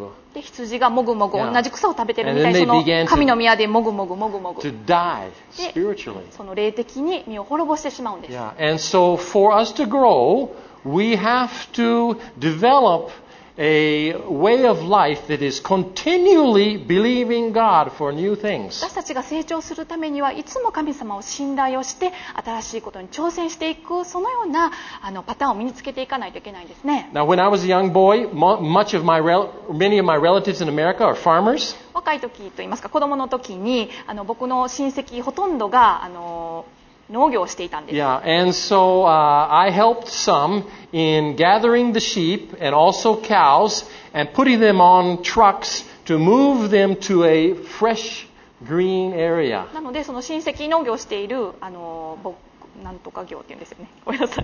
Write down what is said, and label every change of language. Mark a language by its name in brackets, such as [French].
[Japanese] で羊がもぐもぐ同じ草を食べてるみたいな、神の宮でもぐもぐもぐもぐ。 [English] To die spiritually. [Japanese] その霊的に身を滅ぼしてしまうんです。 [English] Yeah. And so for us to grow, we have to develop. A way of life that is continually believing God for new things. [Japanese] 私たちが成長するためにはいつも神様を信頼をして新しいことに挑戦していく、そのようなパターンを身につけていかないといけないんですね。 [English] Now, when I was a young boy, many of my relatives in America are farmers. [Japanese] 若い時といいますか、子供の時に僕の親戚ほとんどが農業をしていたんです。 [English] Yeah, and so I helped some in gathering the sheep and also cows and putting them on trucks to move them to a fresh green area. [Japanese] なのでその親戚農業をしているなんとか業っていうんですよね。ごめんなさい。